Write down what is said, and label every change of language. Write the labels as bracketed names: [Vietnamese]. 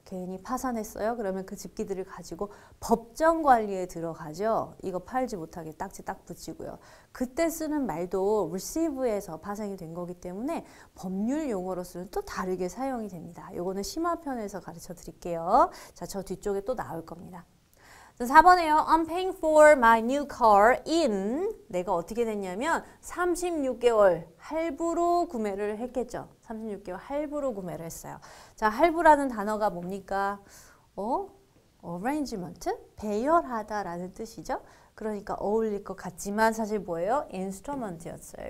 [Korean] 개인이 파산했어요. 그러면 그 집기들을 가지고 법정 관리에 들어가죠. 이거 팔지 못하게 딱지 딱 붙이고요. 그때 쓰는 말도 receive에서 파생이 된 거기 때문에 법률 용어로서는 또 다르게 사용이 됩니다. 요거는 심화편에서 가르쳐 드릴게요. 자, 저 뒤쪽에 또 나올 겁니다. 4번에요. [English] I'm paying for my new car in. [Korean] 내가 어떻게 됐냐면 36개월 할부로 구매를 했겠죠. 36개월 할부로 구매를 했어요. 자, 할부라는 단어가 뭡니까? Arrangement? 배열하다라는 뜻이죠. 그러니까 어울릴 것 같지만 사실 뭐예요? Instrument였어요.